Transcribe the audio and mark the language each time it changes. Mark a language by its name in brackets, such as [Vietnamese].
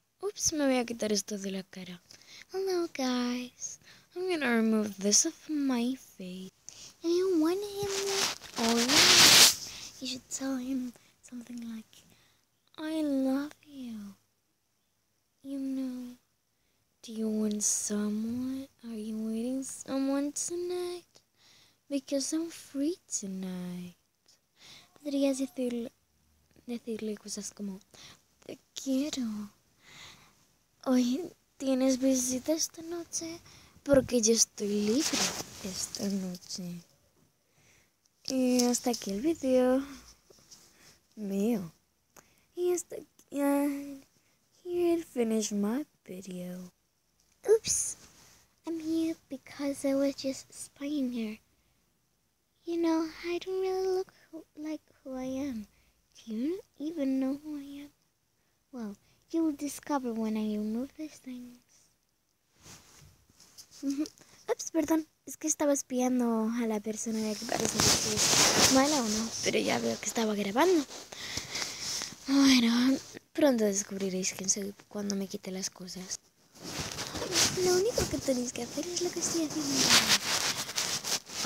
[Spanish] Oops, me voy a quitar esto de la cara. [English] Hello, guys. I'm gonna remove this off my face. If you want him or you should tell him something like, I love you. You know, do you want someone? Are you waiting someone tonight? Because I'm free tonight. [Spanish] Podrías decirle cosas como, te quiero. Hoy tienes visita esta noche porque yo estoy libre esta noche. Y hasta aquí el video mío. Y hasta aquí. [English] Here finish my video. Oops. I'm here because I was just spying here. You know, I don't really look like who I am. Do you even know who I am? Well, you will discover when I remove these things. [Spanish] Oops, perdón. Es que estaba espiando a la persona de que parece que es mala o no, pero ya veo que estaba grabando. Bueno, pronto descubriréis quién soy cuando me quite las cosas. Lo único que tenéis que hacer es lo que estoy haciendo.